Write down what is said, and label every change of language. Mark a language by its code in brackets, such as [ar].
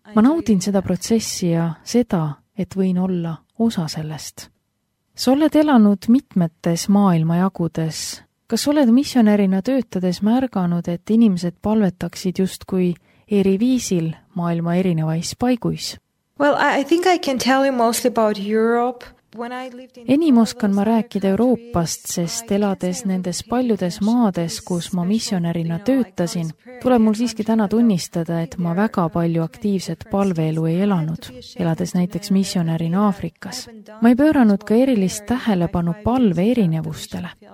[et] Ma naudin seda protsessi ja seda, et võin olla osa sellest. Sa oled elanud mitmetes maailmajagudes. Kas oled missionärina töötades märganud, et inimesed palvetaksid just kui eri viisil maailma erinevais paiguis? [en] Well, I think I can tell you mostly about Europe. [et] Enim oskan ma rääkida Euroopast, sest elades nendes paljudes maades, kus ma missionärina töötasin, tuleb mul siiski täna tunnistada, et ma väga palju aktiivset palveelu ei elanud, elades näiteks missionärina Aafrikas. Ma ei pööranud ka erilist tähelepanu palve erinevustele.